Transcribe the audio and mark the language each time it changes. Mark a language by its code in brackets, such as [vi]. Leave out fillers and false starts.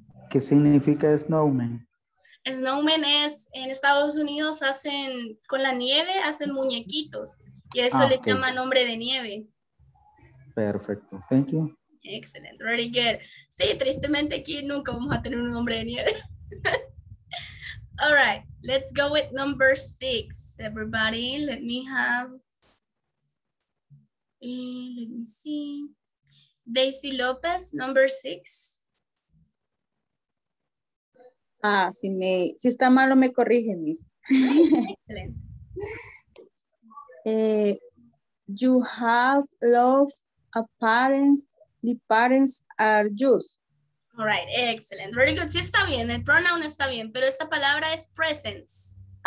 [es] ¿Qué significa snowman? Snowman es, en Estados Unidos hacen, con la nieve, hacen muñequitos. Y eso le llama nombre de nieve. Perfecto. [en] Thank you. Excellent. Very good. [es] Sí, tristemente aquí nunca vamos a tener un nombre de nieve. [en] All right, let's go with number six, everybody. Let me have, let me see. Daisy Lopez, number six. [es] Ah, si me, si está malo, me corrige, miss. [en] Excellent. You have lost a parents, the parents are yours. All right, excellent. Very good. [es] Sí, está bien. El pronoun está bien, pero esta palabra es presence.